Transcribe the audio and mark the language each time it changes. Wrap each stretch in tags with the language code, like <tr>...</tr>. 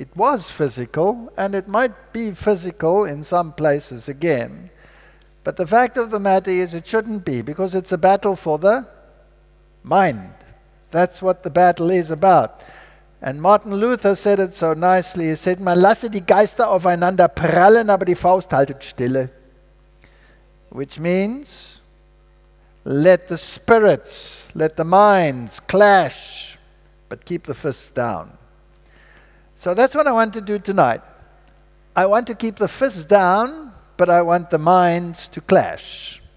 <en>It was physical, and it might be physical in some places again. But the fact of the matter is it shouldn't be, because it's a battle for the mind. That's what the battle is about. And Martin Luther said it so nicely. He said,</en> <de>man lasse die Geister aufeinander prallen, aber die Faust haltet stille.</de> <en>Which means, let the spirits, let the minds clash, but keep the fists down. So that's what I want to do tonight. I want to keep the fists down, but I want the minds to clash.</en>